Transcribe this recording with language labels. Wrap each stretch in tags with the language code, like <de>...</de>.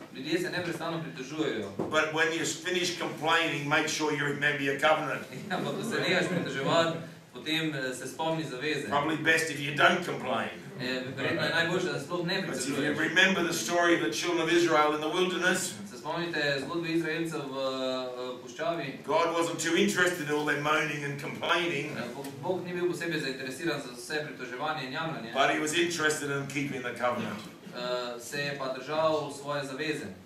<sl>Ljudje se neprestano pritožujejo.</sl> <en>But when you finish complaining, make sure you remember your covenant.</en> <sl>Ampak ko se nehaš pritoževati, potem se spomni zaveze.</sl> <en>Probably best if you don't complain.</en> <sl>Verjetno je najboljše, da sploh ne pritožuješ.</sl> <en>But if you remember the story of the children of Israel in the wilderness,</en> <sl>spomnite zgodbe Izraelcev v puščavi.</sl> <en>God wasn't too interested in all their moaning and complaining.</en> <sl>Bog ni bil posebej zainteresiran za vse pritoževanje in jamranje.</sl> <en>But he was interested in keeping the covenant.</en> <sl>Se je pa držal svoje zaveze.</sl>